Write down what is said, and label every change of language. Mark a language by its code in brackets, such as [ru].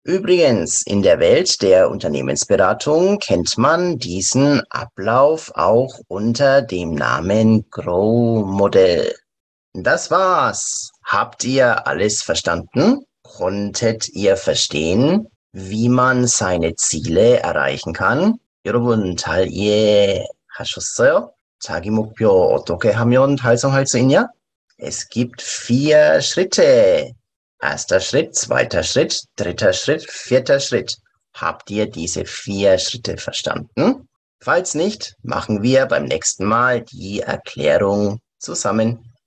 [de] Übrigens, in der Welt der Unternehmensberatung kennt man diesen Ablauf auch unter dem Namen Grow-Modell. Das war's. Habt ihr alles verstanden? Konntet ihr verstehen, wie man seine Ziele erreichen kann? [ko] 여러분, 잘 이해하셨어요? 자기 목표 어떻게 하면 달성할 수 있냐? [de] Es gibt vier Schritte. Erster Schritt, zweiter Schritt, dritter Schritt, vierter Schritt. Habt ihr diese vier Schritte verstanden? Falls nicht, machen wir beim nächsten Mal die Erklärung zusammen.